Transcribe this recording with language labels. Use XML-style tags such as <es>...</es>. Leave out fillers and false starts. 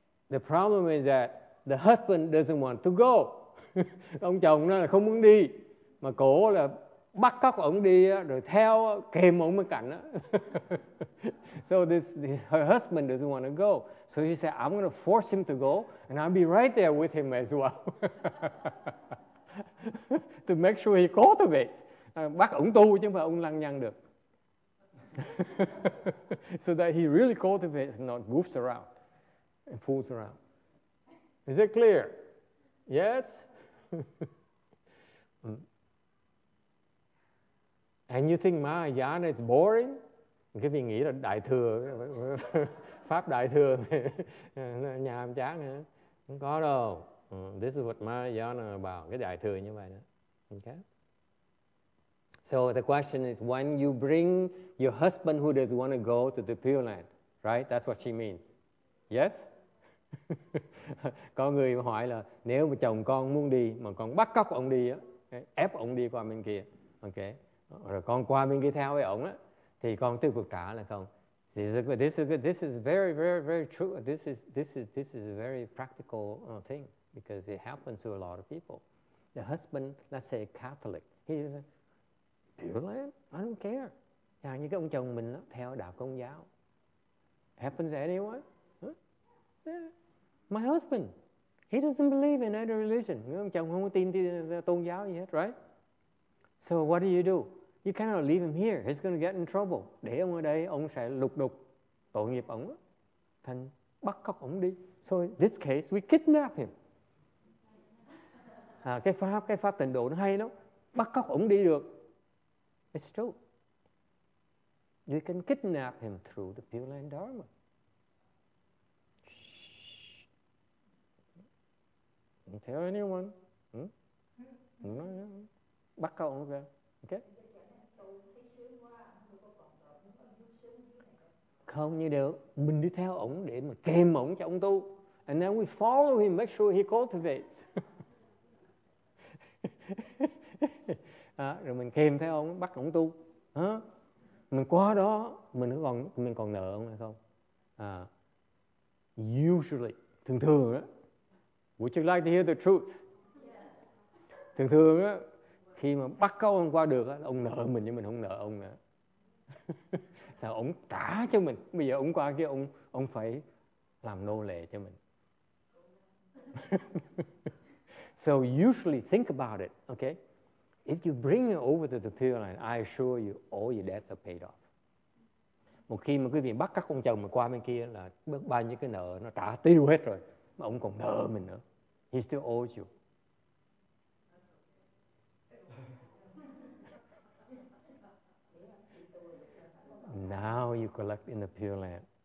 <en>The problem is that the husband doesn't want to go.</en> <vi>Ông chồng nó là không muốn đi, mà cổ là bắt cóc ông đi rồi theo kèm ông bên cạnh.</vi> <en>So her husband doesn't want to go. So she said, I'm going to force him to go, and I'll be right there with him as well. To make sure he cultivates.</en> <vi>Bắt ổng tu chứ không phải ổng lăng nhăng được.</vi> <en>So that he really cultivates and not goofs around and fools around. Is it clear? Yes? And you think Mahayana is boring?</en> <vi>Cái vì nghĩ là Đại Thừa, Pháp Đại Thừa, nhà em chán hả? Không có đâu.</vi> <en>This is what Mahayana about,</en> <vi>cái Đại Thừa như vậy đó. Okay?</vi> <en>So the question is, when you bring your husband who doesn't want to go to the Pure Land, right? That's what she means. Yes?</en> <vi>Có người hỏi là, nếu mà chồng con muốn đi, mà con bắt cóc ông đi, ép ông đi qua bên kia, okay? Rồi con qua bên kia theo với ông á, thì con tiếp tục trả là không.</vi> <en>This is very, very, very true. This is a very practical thing because it happens to a lot of people. The husband, let's say Catholic, he is a Pure Land. I don't care.</en> <vi>Chẳng như cái ông chồng mình theo đạo Công giáo.</vi> <en>Happens to anyone? Huh? Yeah. My husband, he doesn't believe in any religion.</en> <vi>Ông chồng không có tin tôn giáo gì hết,</vi> <en>right? So what do you do? You cannot leave him here. He's going to get in trouble.</en> <vi>Để ông ở đây, ông sẽ lục đục tội nghiệp ông. Thành bắt cóc ông đi.</vi> <en>So in this case, we kidnap him.</en> <vi>Cái pháp tịnh độ nó hay lắm. Bắt cóc ông đi được.</vi> <en>It's true. You can kidnap him through the Pure Land Dharma. Shh. Don't tell anyone.</en> <vi>Bắt cóc ông ra. Okay? Không như được, mình đi theo ổng để mà kèm ổng cho ổng tu.</vi> <en>And then we follow him, make sure he cultivates.</en> <vi>Rồi mình kèm theo ổng, bắt ổng tu. Hả? Mình qua đó, mình còn nợ ổng hay không?</vi> <en>Usually,</en> <vi>thường thường á,</vi> <en>would you like to hear the truth? Yes.</en> <vi>Thường thường á, khi mà bắt câu ổng qua được á, ổng nợ mình nhưng mình không nợ ổng nữa. Là ông trả cho mình. Bây giờ ông qua kia, ông phải làm nô lệ cho mình.</vi> <en>So usually think about it, okay? If you bring it over to the Pure Land, I assure you all your debts are paid off.</en> <vi>Một khi mà quý vị bắt các con chồng mà qua bên kia là bớt bao nhiêu cái nợ nó trả tiêu hết rồi mà ông còn nợ mình nữa.</vi> <en>He still owes you. Now you collect in the Pure Land.</en>